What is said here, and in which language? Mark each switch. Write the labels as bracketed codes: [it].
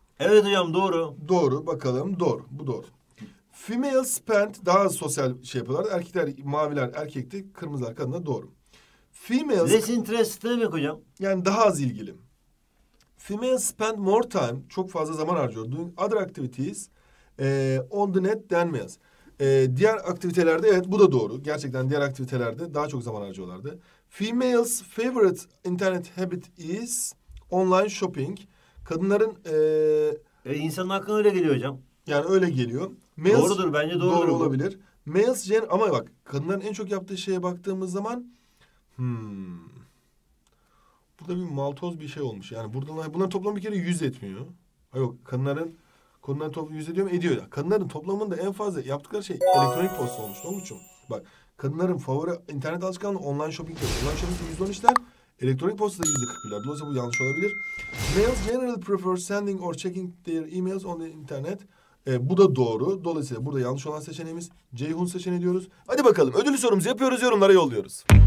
[tr] Evet hocam, doğru. Doğru, bakalım doğru. Bu doğru. [en] Female spend, [tr] daha sosyal şey yapıyorlar. Erkekler, maviler erkekti, kırmızılar kadına, doğru. [en] Females... Less interested [tr] demek hocam. Yani daha az ilgili. [en] Females spend more time, [tr] çok fazla zaman harcıyor. [en] Doing other activities on the net than males. [tr] Diğer aktivitelerde, evet bu da doğru. Gerçekten diğer aktivitelerde daha çok zaman harcıyorlardı. [en] Females' favorite internet habit is online shopping. [tr] Kadınların... insanın aklına öyle geliyor hocam. Yani öyle geliyor. Males, doğrudur, bence doğrudur. Doğru olabilir. Males gen... Ama bak, kadınların en çok yaptığı şeye baktığımız zaman... Burada bir maltoz bir şey olmuş. Yani buradan, bunlar toplam bir kere yüz etmiyor. Yok, kadınların... Kadınların toplamı yüz ediyor mu? Ediyor. Kadınların toplamında en fazla yaptıkları şey elektronik posta olmuş. Ne olmuş? Bak, kadınların favori internet alışkanlığı online shopping. Online shopping'de %13'ler. Elektronik postada %41'ler. Dolayısıyla bu yanlış olabilir. [en] Males generally prefer sending or checking their emails on the internet. [tr] Bu da doğru. Dolayısıyla burada yanlış olan seçeneğimiz Ceyhun seçeneği diyoruz. Hadi bakalım, ödül sorumuzu yapıyoruz, yorumlara yolluyoruz.